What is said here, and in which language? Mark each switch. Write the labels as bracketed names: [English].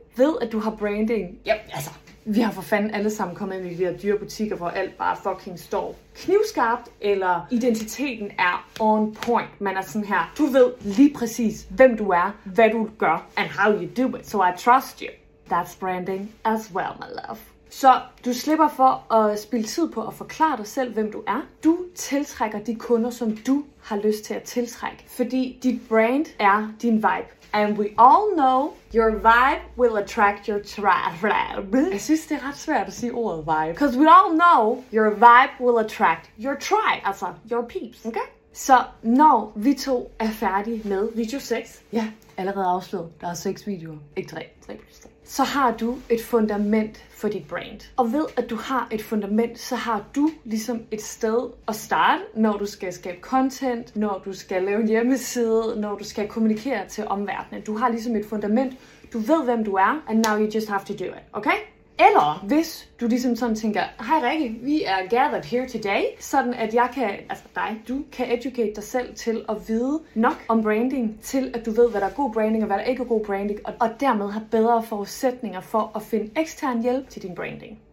[Danish] Ved, at du har branding? Yep, altså. Vi har for fanden alle sammen kommet ind i de her dyre butikker, hvor alt bare fucking står knivskarpt, eller identiteten er on point. Man er sådan her, du ved lige præcis, hvem du er, hvad du gør, [English] and how you do it. So I trust you. That's branding as well, my love. [Danish] Så du slipper for at spille tid på at forklare dig selv, hvem du er. Du tiltrækker de kunder, som du har lyst til at tiltrække. Fordi dit brand er din vibe. [English] And we all know, your vibe will attract your tribe. [Danish] Jeg synes, det er ret svært at sige ordet vibe. [English] Because we all know, your vibe will attract your tribe. Altså, your peeps. Okay? [Danish] Så når vi to er færdige med video 6. Ja, allerede afsløret. Der er 6 videoer. Ikke 3. 3 plus 3. Så har du et fundament for dit brand. Og ved at du har et fundament, så har du ligesom et sted at starte, når du skal skabe content, når du skal lave en hjemmeside, når du skal kommunikere til omverdenen. Du har ligesom et fundament. Du ved, hvem du er, [English] and now you just have to do it, okay? [Danish] Eller hvis du ligesom sådan tænker, hej Rikke, vi er [English] gathered here today, [Danish] sådan at jeg kan, altså dig, du kan educate dig selv til at vide nok om branding, til at du ved, hvad der er god branding og hvad der ikke er god branding, og dermed har bedre forudsætninger for at finde ekstern hjælp til din branding.